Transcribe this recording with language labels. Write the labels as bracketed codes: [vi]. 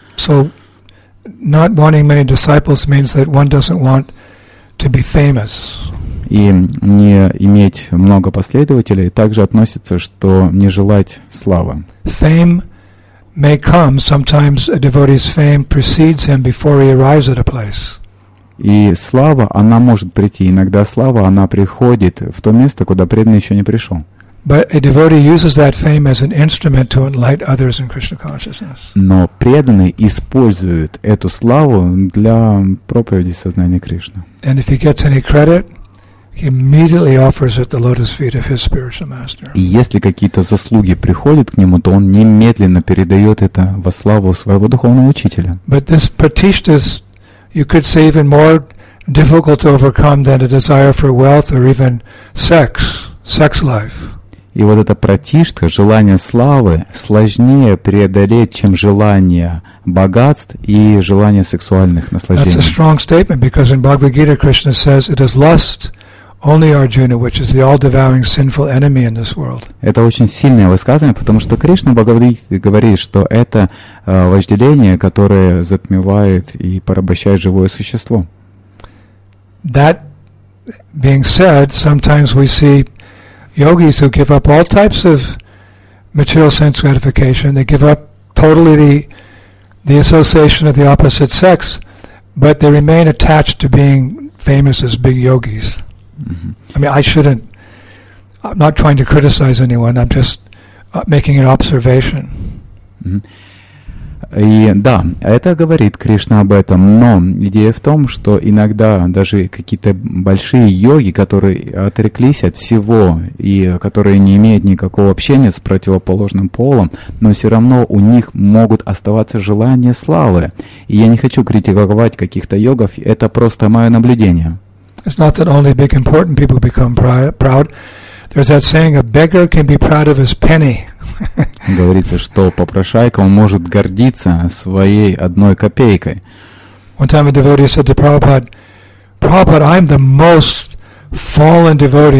[en] So, not wanting many disciples means that one doesn't want to be famous. [ru] И не иметь много последователей также относится, что не желать славы. [en] Fame may come. Sometimes a devotee's fame precedes him before he arrives at a place. [ru] И слава, она может прийти. Иногда слава, она приходит в то место, куда преданный еще не пришел. [en] But a devotee uses that fame as an instrument to enlighten others in Krishna consciousness. [ru] Но преданный использует эту славу для проповеди сознания Кришны. [en] And if he gets any credit, he immediately offers it the lotus feet of his spiritual master. [ru] И если какие-то заслуги приходят к нему, то он немедленно передает это во славу своего духовного учителя. [en] But this pratishtha, you could say, even more difficult to overcome than a desire for wealth or even sex, sex life. [ru] И вот эта пратиштха, желание славы, сложнее преодолеть, чем желание богатств и желание сексуальных наслаждений. [en] That's a strong statement, because in Bhagavad Gita Krishna says it is lust. Only Arjuna, which is the all-devouring sinful enemy in this world. [ru] Это очень сильное высказывание, потому что Кришна говорит, что это вожделение, которое затмевает и порабощает живое существо. [en] That being said, sometimes we see yogis who give up all types of material sense gratification. They give up totally the association of the opposite sex, but they remain attached to being famous as big yogis. Mm-hmm. I mean, I shouldn't. I'm not trying to criticize anyone. I'm just making an observation. Mm-hmm. [ru] И да, это говорит Кришна об этом. Но идея в том, что иногда даже какие-то большие йоги, которые отреклись от всего и которые не имеют никакого общения с противоположным полом, но все равно у них могут оставаться желания славы. И я не хочу критиковать каких-то йогов. Это просто мое наблюдение. [en] It's not that only big important people become proud. There's that saying, a beggar can be proud of his penny. [ru] Говорится, что попрошайка, он может гордиться своей одной копейкой. [en] One time a devotee said to Prabhupada, Prabhupada, I'm the most fallen devotee.